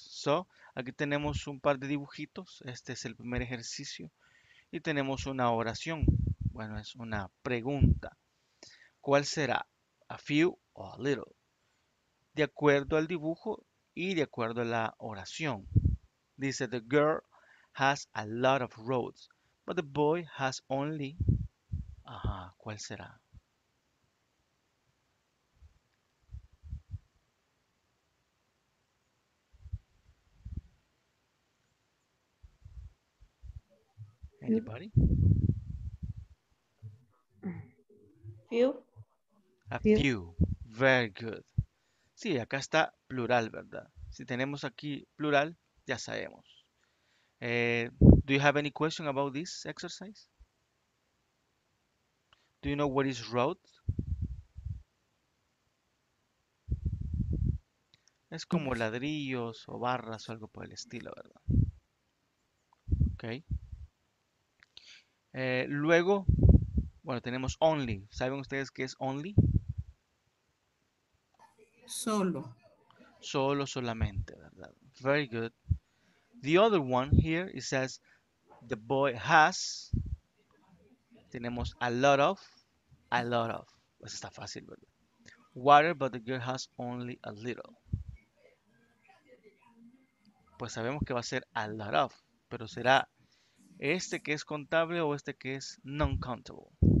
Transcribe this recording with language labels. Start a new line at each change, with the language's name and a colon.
Spanish: So, aquí tenemos un par de dibujitos. Este es el primer ejercicio. Y tenemos una oración. Bueno, es una pregunta. ¿Cuál será?
English: A few o a little.
Spanish: De acuerdo al dibujo y de acuerdo a la oración.
English: Dice, the girl has a lot of roads, but the boy has only...
Spanish: Ajá, ¿cuál será?
English: Anybody? Few. A few. Very good.
Spanish: Sí, acá está plural, ¿verdad? Si tenemos aquí plural, ya sabemos.
English: Do you have any question about this exercise? Do you know what is route?
Spanish: Es como ladrillos o barras o algo por el estilo, ¿verdad? Ok. Luego, bueno, tenemos only. ¿Saben ustedes qué es only? Solo. Solo, solamente, ¿verdad?
English: Very good. The other one here, it says, the boy has,
Spanish: tenemos
English: a lot of,
Spanish: pues está fácil, ¿verdad?
English: Water, but the girl has only a little.
Spanish: Pues sabemos que va a ser a lot of, pero será este que es contable o este que es non-countable.